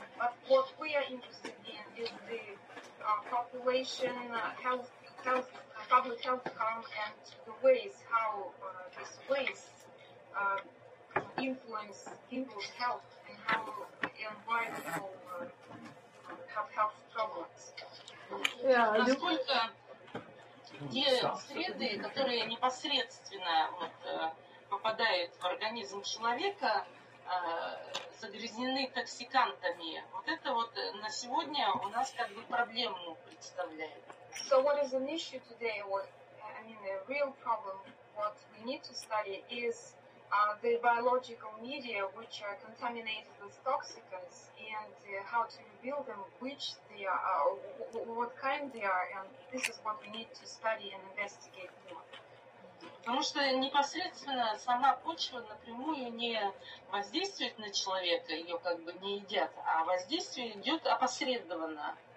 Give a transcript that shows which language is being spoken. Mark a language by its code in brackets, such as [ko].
[en] But what we are interested in is the population health. Public health harm and the ways how these ways influence people's health and how environmental have health problems. [ru] Те среды, которые непосредственно вот, попадают в организм человека, загрязнены токсикантами. Вот это вот на сегодня у нас как бы проблему представляет. [en] So what is an issue today, what, I mean a real problem, what we need to study is the biological media which are contaminated with toxicants and how to reveal them, which they are, what kind they are, and this is what we need to study and investigate more. [ru] Потому что непосредственно сама почва напрямую не воздействует на человека, ее как бы не едят, а воздействие идет опосредованно